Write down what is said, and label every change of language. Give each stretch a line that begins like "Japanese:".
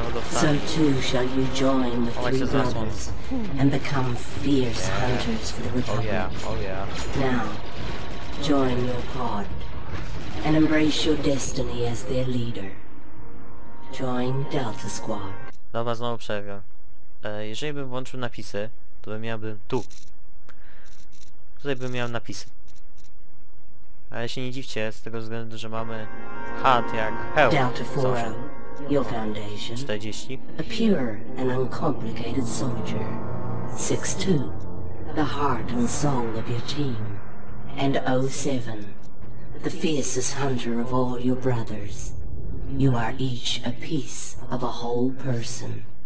English: So too shall you join the three brothers and become fierce hunters for the Republic. Oh yeah, oh yeah. Now, join your pod and embrace your destiny as their leader. Join Delta Squad.
Polish: Dobra, znowu przerwę. Jeżeli bym włączył napisy, to bym miałbym tu. Tutaj bym miał napisy. Ale się nie dziwcie, z tego względu, że mamy hard jak hell.
English: Delta 4, your foundation. 40. A pure and uncomplicated soldier. 6-2, the heart and soul of your team. And 07, the fiercest hunter of all your brothers. You are each a piece of a whole person.